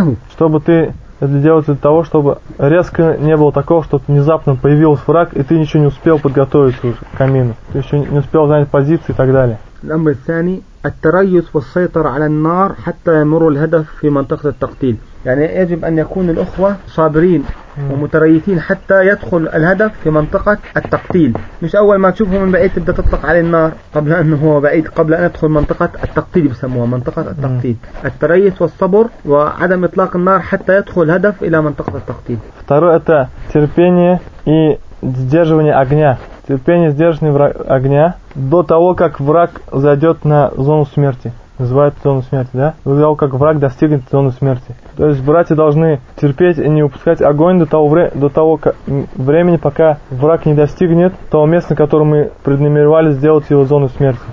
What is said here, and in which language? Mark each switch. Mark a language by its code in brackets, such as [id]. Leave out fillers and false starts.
[ru] Чтобы ты это делать для того, чтобы резко не было такого, что внезапно появился враг, и ты ничего не успел подготовиться уже к камину. Ты еще не успел занять позиции и так далее. [ar] الأمر الثاني التريث والسيطرة على النار حتى يمر الهدف في منطقة التقتيل يعني يجب أن يكون الأخوة صابرين ومتريثين حتى يدخل الهدف في منطقة التقتيل مش أول ما تشوفه من بعيد تبدأ تطلق على النار قبل أن هو بعيد قبل أن يدخل منطقة التقتيل بسموها منطقة التقتيل التريث والصبر وعدم إطلاق النار حتى يدخل الهدف إلى منطقة التقتيل [ru] второе это терпение и сдерживание огня. Терпение сдерживания огня до того, как враг зайдет на зону смерти. Называют зону смерти, да? До того, как враг достигнет зоны смерти. То есть братья должны терпеть и не упускать огонь до того времени, пока враг не достигнет того места, которое мы преднамеревали сделать его зону смерти.